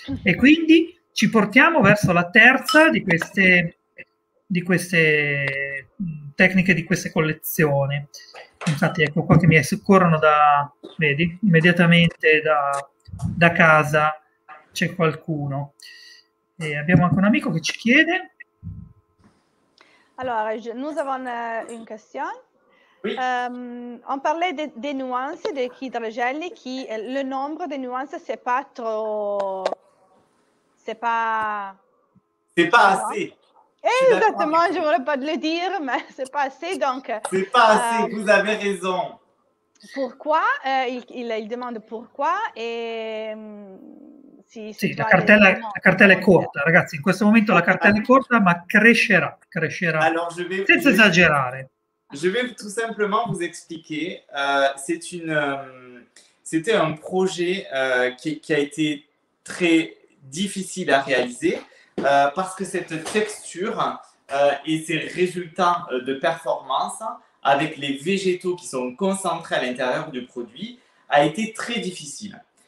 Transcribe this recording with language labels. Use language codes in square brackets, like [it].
[it] E quindi ci portiamo verso la terza di queste tecniche, di queste collezioni. Infatti ecco qua che mi soccorrono da, vedi, immediatamente da casa c'è qualcuno. E abbiamo anche un amico che ci chiede. [fr] Allora, nous avons une question. Oui. On parlait des nuances de Kidra Jelly, qui le nombre de nuances c'est pas trop c'est pas assez. Exactement, je voulais pas le dire, mais c'est pas assez donc. C'est pas assez, vous avez raison. pourquoi, il demande pourquoi e [it] sì, la cartella è corta, ragazzi, in questo momento la cartella è corta, ma crescerà. [fr] Alors, je vais [it] senza esagerare. [fr] Je vais tout simplement vous expliquer, c'était un projet qui a été très difficile à réaliser parce que cette texture et ses résultats de performance avec les végétaux qui sont concentrés à l'intérieur du produit a été très difficile.